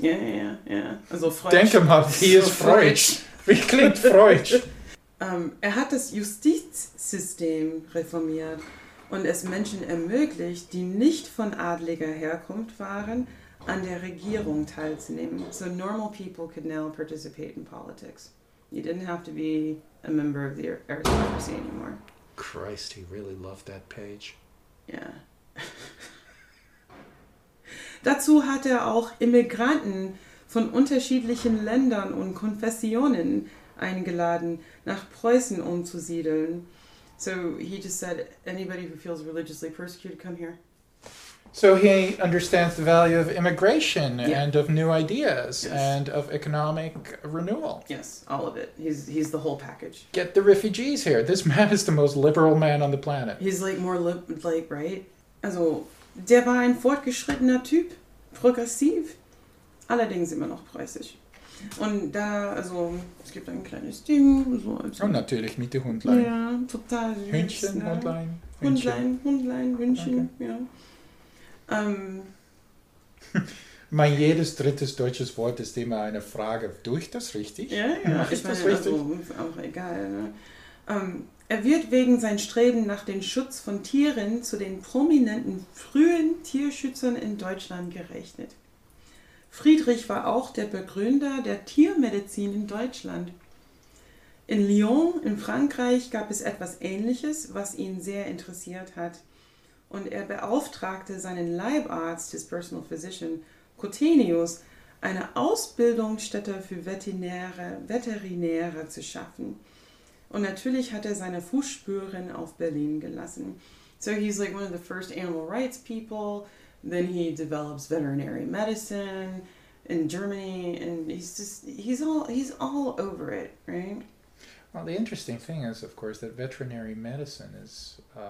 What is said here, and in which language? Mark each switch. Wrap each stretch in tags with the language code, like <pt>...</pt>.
<de>Ja, ja, ja. Also denke mal, wie ist Deutsch? Wie klingt Deutsch? Er hat das Justizsystem reformiert und es Menschen ermöglicht, die nicht von adliger Herkunft waren, an der Regierung teilzunehmen.</de> <en>So normal people could now participate in politics. You didn't have to be a member of the aristocracy anymore. Christ, he really loved that page. Yeah.</en> <de>Dazu hat er auch Immigranten von unterschiedlichen Ländern und Konfessionen eingeladen, nach Preußen umzusiedeln.</de> <en>So he just said, anybody who feels religiously persecuted, come here. So he understands the value of immigration and of new ideas and of economic renewal. Yes, all of it. He's the whole package. Get the refugees here. This man is the most liberal man on the planet. He's like more like, right?</en> <de>Also, der war ein fortgeschrittener Typ, progressiv, allerdings immer noch preußisch. Und da, also, es gibt ein kleines Ding. So als und natürlich mit dem Hundlein. Ja, total süß. Hündchen, ne? Hündchen, okay. Ja. Mein jedes drittes deutsches Wort ist immer eine Frage. Tue ich das richtig? Ja, ja. Ist das richtig? Also, ist auch egal. Ne? Er wird wegen sein Streben nach dem Schutz von Tieren zu den prominenten frühen Tierschützern in Deutschland gerechnet. Friedrich war auch der Begründer der Tiermedizin in Deutschland. In Lyon, in Frankreich, gab es etwas Ähnliches, was ihn sehr interessiert hat. Und er beauftragte seinen Leibarzt,</de> <en>his personal physician,</en> <de>Cotenius, eine Ausbildungsstätte für Veterinäre zu schaffen. Und natürlich hat er seine Fußspuren auf Berlin gelassen.</de> <en>So he's like one of the first animal rights people. Then he develops veterinary medicine in Germany. And he's all over it, right? Well, the interesting thing is, of course, that veterinary medicine is...</en>